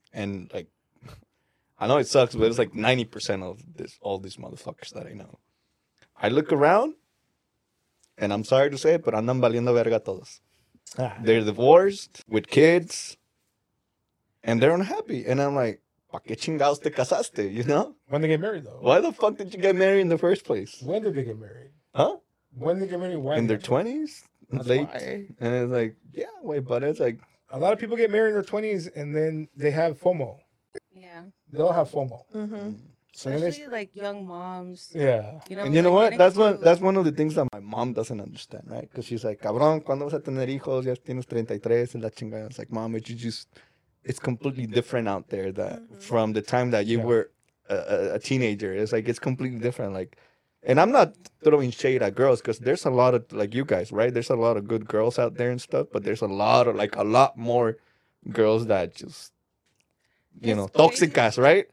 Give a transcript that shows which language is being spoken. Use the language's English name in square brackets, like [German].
[English] And, like, I know it sucks, but it's like 90% of this, all these motherfuckers that I know. I look around, and I'm sorry to say it, but [Spanish] andan valiendo verga todos. [English] Ah, they're divorced with kids, and they're unhappy. And I'm like, [Spanish] ¿pa qué chingados te casaste? [English] You know? When they get married, though. Why the fuck did you get married in the first place? When did they get married? Huh? When did they get married? In their 20s? Late. Why. And it's like, yeah, wait, but it's like. A lot of people get married in their 20s, and then they have FOMO. Yeah. They all have FOMO. Mm-hmm. Especially like young moms. Yeah. You know, and you know like, what? That's one of the things that my mom doesn't understand, right? Because she's like, [Spanish] cabrón, ¿cuándo vas a tener hijos? Ya tienes 33 en la chingada. [English] It's like, mom, it's completely different out there that mm-hmm. from the time that you yeah. were a teenager. It's like, it's completely different. Like, and I'm not throwing shade at girls because there's a lot of, like you guys, right? There's a lot of good girls out there and stuff, but there's a lot of, like a lot more girls that just, you know, toxic guys, right?